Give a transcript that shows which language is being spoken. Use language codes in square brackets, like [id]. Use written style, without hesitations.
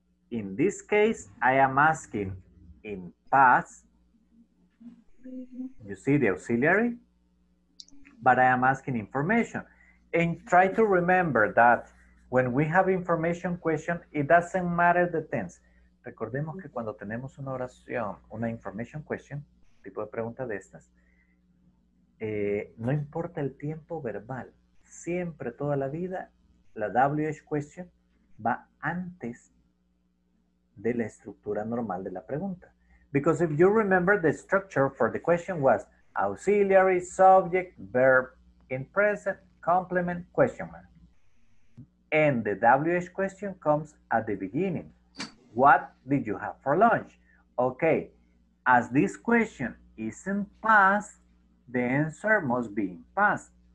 [en] In this case, I am asking in past, you see the auxiliary, but I am asking information. And try to remember that when we have information question, it doesn't matter the tense. [es] Recordemos que cuando tenemos una oración, una [en] information question, [es] tipo de pregunta de estas, no importa el tiempo verbal, siempre, toda la vida, la [en] WH question [es] va antes de la estructura normal de la pregunta. [en] Because if you remember, the structure for the question was auxiliary, subject, verb in present, complement, question mark. And the WH question comes at the beginning. What did you have for lunch? Okay, as this question is in past, the answer must be in past.